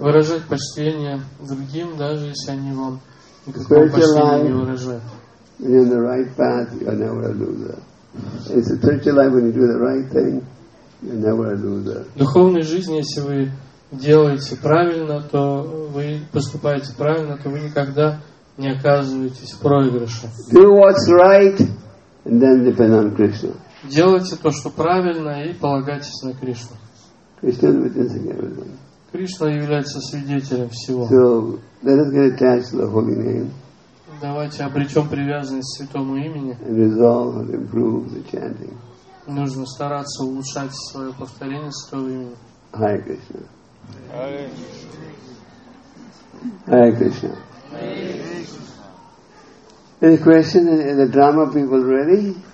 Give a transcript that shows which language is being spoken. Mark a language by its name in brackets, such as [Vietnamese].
[Russian] Выражать почтение другим, даже если они вам никакого почтения не выражают. [English] when you're on the right path, you're never a loser. In the spiritual life, when you do the right thing, you're never a loser. [Russian] В духовной жизни, если вы делаете правильно, то вы поступаете правильно, то вы никогда не оказываетесь в проигрыше. [English] Do what's right, and then depend on Krishna. [Russian] Делайте то, что правильно, и полагайтесь на Кришну. [English] Krishna witness everything. [Russian] Кришна является свидетелем всего. [English] So let us get attached to the holy name. [Russian] Давайте обретем привязанность к святому имени. [English] And resolve and improve the chanting. [Russian] Нужно стараться улучшать свое повторение святого имени. [Sanskrit] Hare Krishna. Hare Krishna. Hare Krishna. Hare [English] Krishna. Any question? Are the drama people ready?